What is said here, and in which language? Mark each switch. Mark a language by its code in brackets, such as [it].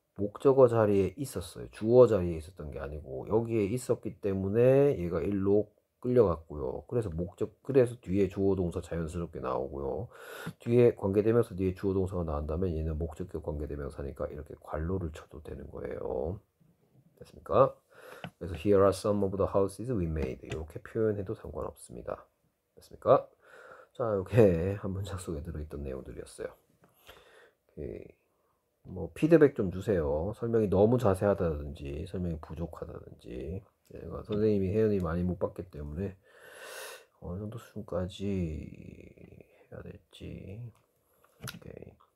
[ko] 목적어 자리에 있었어요. 주어 자리에 있었던 게 아니고, 여기에 있었기 때문에 얘가 일로 끌려갔고요. 그래서 뒤에 주어 동사 자연스럽게 나오고요. 뒤에 관계대명사 뒤에 주어 동사가 나온다면 얘는 목적격 관계대명사니까 이렇게 관로를 쳐도 되는 거예요. 됐습니까? 그래서 [en] here are some of the houses we made [ko] 이렇게 표현해도 상관없습니다. 됐습니까? 자, 이렇게 한 문장 속에 들어있던 내용들이었어요. 뭐 피드백 좀 주세요. 설명이 너무 자세하다든지 설명이 부족하다든지. 제가 선생님이 회원이 많이 못 봤기 때문에 어느 정도 수준까지 해야 될지. 오케이.